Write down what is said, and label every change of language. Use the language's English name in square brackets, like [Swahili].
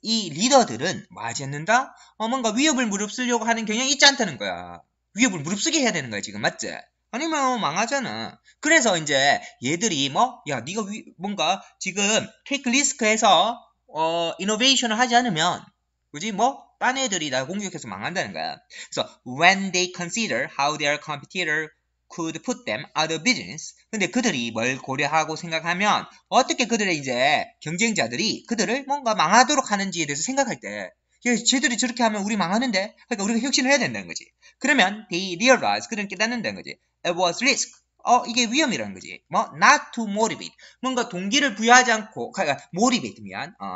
[Korean] 이 리더들은 맞이 않는다? 뭔가 위협을 무릅쓰려고 하는 경향이 있지 않다는 거야. 위협을 무릅쓰게 해야 되는 거야, 지금, 맞지? 아니면 망하잖아. 그래서 이제 얘들이 뭐, 야, 네가 뭔가 지금 [English] take risk [Korean] 해서, innovation을 하지 않으면, 그지? 뭐? 딴 애들이 나 공격해서 망한다는 거야. 그래서 [English] when they consider how their competitor could put them out of business. [Korean] 근데 그들이 뭘 고려하고 생각하면 어떻게 그들의 이제 경쟁자들이 그들을 뭔가 망하도록 하는지에 대해서 생각할 때, 예, 쟤들이 저렇게 하면 우리 망하는데, 그러니까 우리가 혁신을 해야 된다는 거지. 그러면 [English] they realize [Korean] 그들은 깨닫는다는 거지. [English] It was risk. [Korean] 이게 위험이라는 거지. 뭐 [English] not to motivate. [Korean] 뭔가 동기를 부여하지 않고, 그러니까 motivate 미안.